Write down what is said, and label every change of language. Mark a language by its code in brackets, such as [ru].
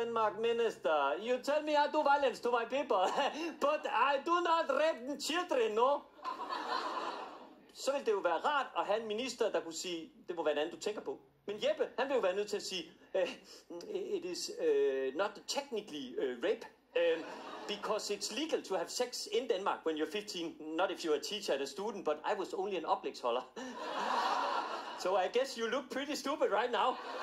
[en] Denmark Minister, you tell me I do violence to my people, but I do not rape the children, no? [da] Så ville det jo være rart at have en minister, der kunne sige, det må være en anden, du tænker på. Men Jeppe, han vil jo være nødt til at sige, [en] it is not technically rape, because it's legal to have sex in Denmark when you're 15, not if you're a teacher and a student, but I was only an oplægsholder. So I guess you look pretty stupid right now.